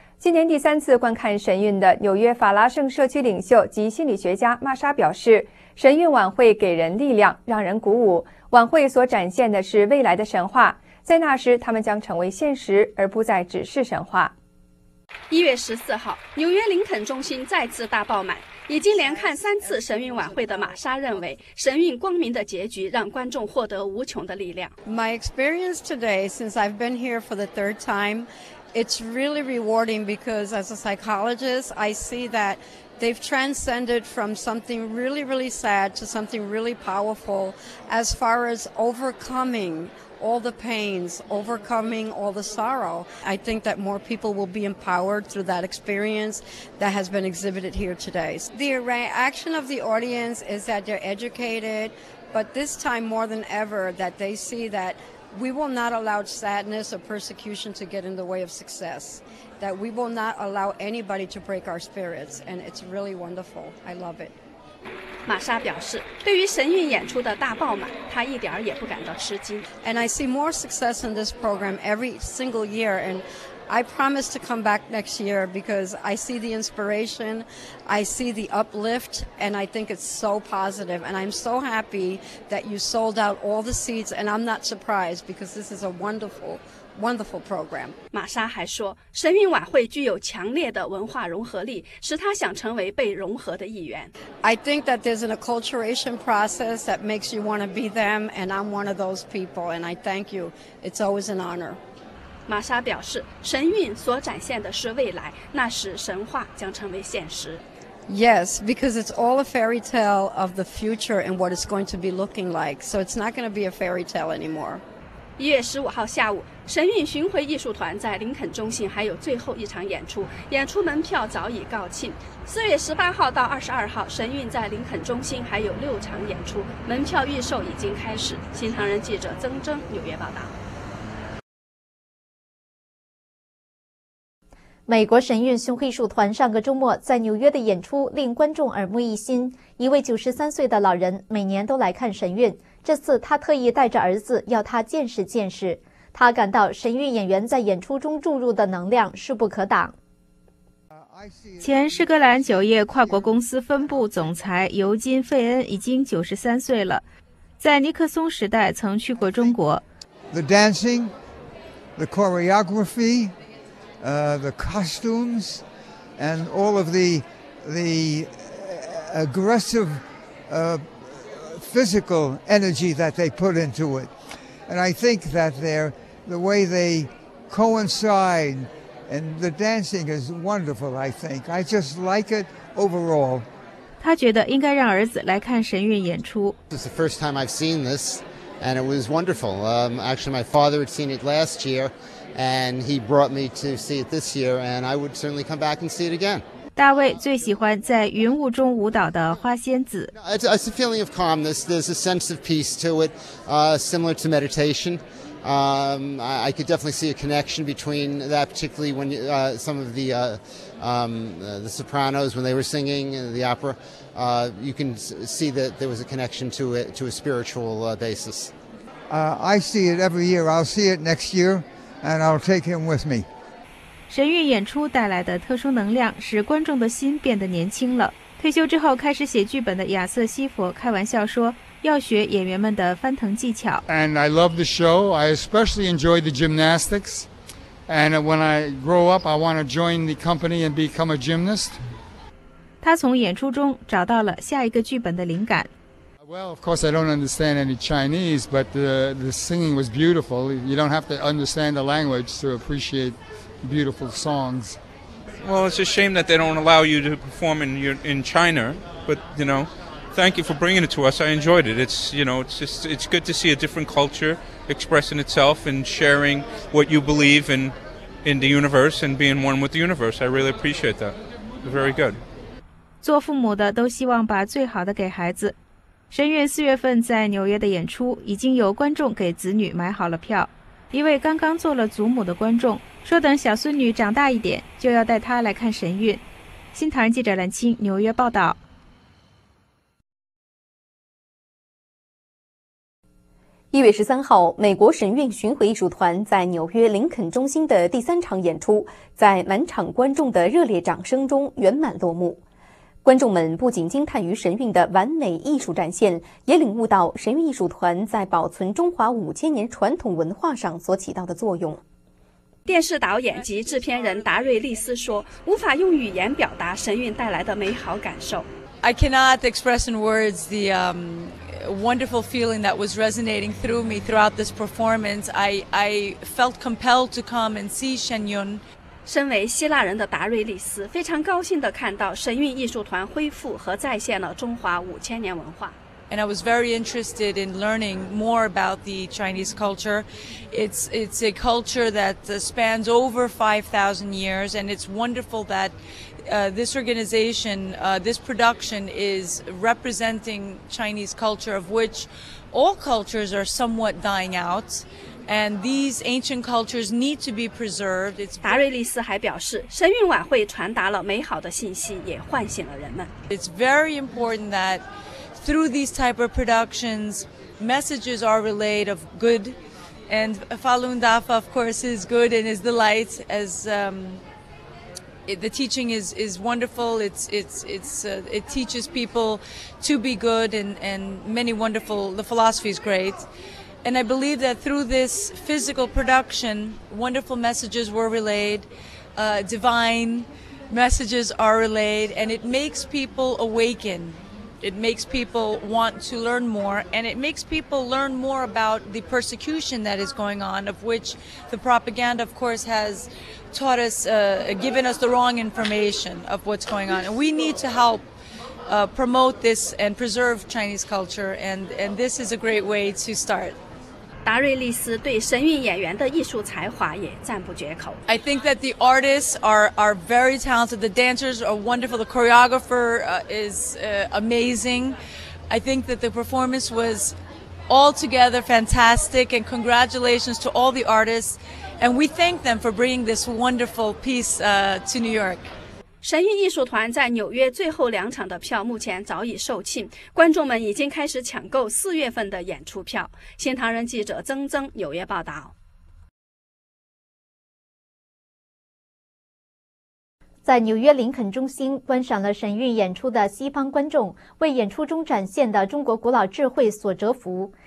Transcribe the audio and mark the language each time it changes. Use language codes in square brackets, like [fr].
[zh] 今年第三次观看神韵的纽约法拉盛社区领袖及心理学家玛莎表示，神韵晚会给人力量，让人鼓舞。晚会所展现的是未来的神话。在那时他们将成为现实，而不再只是神话。 1月14号，纽约林肯中心再次大爆满。已经连看三次神韵晚会的玛莎认为，神韵光明的结局让观众获得无穷的力量。 [en] My experience today, since I've been here for the third time, it's really rewarding because as a psychologist, I see that they've transcended from something really, really sad to something really powerful as far as overcoming all the pains, overcoming all the sorrow. I think that more people will be empowered through that experience that has been exhibited here today. The reaction of the audience is that they're educated, but this time more than ever that they see that we will not allow sadness or persecution to get in the way of success, that we will not allow anybody to break our spirits, and it's really wonderful. I love it. [zh] 玛莎表示，对于神韵演出的大爆满，她一点也不感到吃惊。 [en] And I see more success in this program every single year, and I promise to come back next year because I see the inspiration, I see the uplift, and I think it's so positive. And I'm so happy that you sold out all the seats, and I'm not surprised because this is a wonderful, wonderful program. [zh] 玛莎还说，神韵晚会具有强烈的文化融合力，使她想成为被融合的一员。 [en] I think that there's an acculturation process that makes you want to be them, and I'm one of those people, and I thank you. It's always an honor. [zh] 玛莎表示，神韵所展现的是未来，那时神话将成为现实。 [en] Yes, because it's all a fairy tale of the future and what it's going to be looking like. So it's not going to be a fairy tale anymore. [zh] 1月15号下午，神韵巡回艺术团在林肯中心还有最后一场演出，演出门票早已告罄。 4月18号到22号，神韵在林肯中心还有六场演出，门票预售已经开始。新唐人记者曾征纽约报道。美国神韵巡回艺术团上个周末在纽约的演出令观众耳目一新。一位93岁的老人每年都来看神韵，这次他特意带着儿子要他见识见识。他感到神韵演员在演出中注入的能量势不可挡。前诗歌兰酒业跨国公司分部总裁尤金·费恩已经93岁了，在尼克松时代曾去过中国。 [en] The dancing, the choreographythe costumes and all of the aggressive physical energy that they put into it. And I think that the way they coincide and the dancing is wonderful, I think. I just like it overall. [zh] 他觉得应该让儿子来看神韵演出。 [en] This is the first time I've seen this and it was wonderful. Actually, my father had seen it last year. And he brought me to see it this year, and I would certainly come back and see it again. [zh] 大卫最喜欢在云雾中舞蹈的花仙子。 [en] It's a feeling of calmness. There's a sense of peace to it, similar to meditation. I could definitely see a connection between that, particularly when some of the sopranos, when they were singing the opera, you can see that there was a connection to it, to a spiritual basis. I see it every year. I'll see it next year. And I'll take him with me. [zh] 神韵演出带来的特殊能量使观众的心变得年轻了。退休之后开始写剧本的亚瑟·西佛开玩笑说，要学演员们的翻腾技巧。 [en] And I love the show. I especially enjoy the gymnastics. And when I grow up, I want to join the company and become a gymnast. [zh] 他从演出中找到了下一个剧本的灵感。 [en] Well, of course, I don't understand any Chinese, but the singing was beautiful. You don't have to understand the language to appreciate beautiful songs. Well, it's a shame that they don't allow you to perform in China, but, you know, thank you for bringing it to us. I enjoyed it. It's, you know, it's good to see a different culture expressing itself and sharing what you believe in the universe and being one with the universe. I really appreciate that. Very good. [zh] 做父母的都希望把最好的给孩子。神韵四月份在纽约的演出已经有观众给子女买好了票。一位刚刚做了祖母的观众说，等小孙女长大一点就要带她来看神韵。新唐人记者蓝青纽约报道。 1月13号，美国神韵巡回艺术团在纽约林肯中心的第三场演出在满场观众的热烈掌声中圆满落幕。观众们不仅惊叹于神韵的完美艺术展现，也领悟到神韵艺术团在保存中华五千年传统文化上所起到的作用。电视导演及制片人达瑞利斯说，无法用语言表达神韵带来的美好感受。 [en] I cannot express in words the wonderful feeling that was resonating through me throughout this performance. I felt compelled to come and see 神韵。 [zh] 身为希腊人的达瑞利斯非常高兴地看到神韵艺术团恢复和再现了中华五千年文化。 [en] And I was very interested in learning more about the Chinese culture. It's a culture that spans over 5,000 years, and it's wonderful that this organization, this production is representing Chinese culture, of which all cultures are somewhat dying out. And these ancient cultures need to be preserved. [zh] 达瑞利斯还表示，神韵晚会传达了美好的信息，也唤醒了人们。 [en] It's very important that. Through these type of productions, messages are relayed of good, and Falun Dafa, of course, is good and is the light. As the teaching is wonderful, it teaches people to be good and many wonderful. The philosophy is great, and I believe that through this physical production, wonderful messages were relayed, divine messages are relayed, and it makes people awaken. It makes people want to learn more, and it makes people learn more about the persecution that is going on, of which the propaganda, of course, has taught us, given us the wrong information of what's going on. And we need to help promote this and preserve Chinese culture, and this is a great way to start. [zh] 达瑞利斯对神韵演员的艺术才华也赞不绝口。 [en] I think that the artists are very talented. The dancers are wonderful. The choreographer is amazing. I think that the performance was altogether fantastic. And congratulations to all the artists. And we thank them for bringing this wonderful piece to New York. [zh] 神韵艺术团在纽约最后两场的票目前早已售罄，观众们已经开始抢购四月份的演出票。新唐人记者曾曾纽约报道。在纽约林肯中心观赏了神韵演出的西方观众，为演出中展现的中国古老智慧所折服。